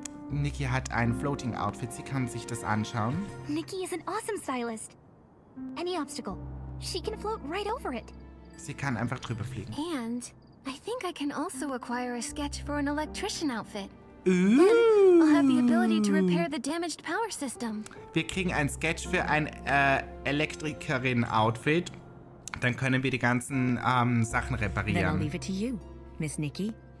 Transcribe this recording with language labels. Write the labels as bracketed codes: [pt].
[de] Nikki hat ein Floating Outfit. Sie kann sich das anschauen. [en] Nikki is an awesome stylist. Any obstacle, she can float right over it. [de] Sie kann einfach drüber fliegen. [en] And I think I can also acquire a sketch for an electrician outfit. Then I'll have the ability to repair the damaged power system. [de] Wir kriegen ein Sketch für ein Elektrikerin-Outfit. Dann können wir die ganzen Sachen reparieren. [en] Then I'll leave it to you, Miss Nikki.